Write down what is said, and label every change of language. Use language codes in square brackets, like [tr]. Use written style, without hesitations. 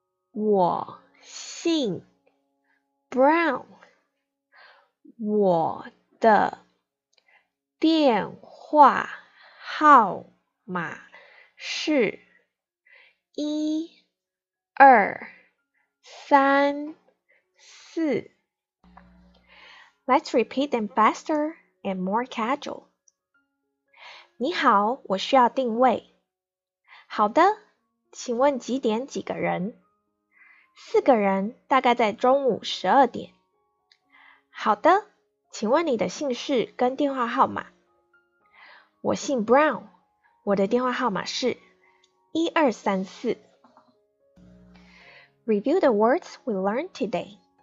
[zh] 我姓 Brown， 我的电话号码是一二三四。 [en] Let's repeat them faster and more casual. [zh] 你好，我需要定位。好的，请问几点几个人？四个人，大概在中午十二点。好的，请问你的姓氏跟电话号码？我姓 Brown， 我的电话号码是1234。 [en] Review the words we learned today.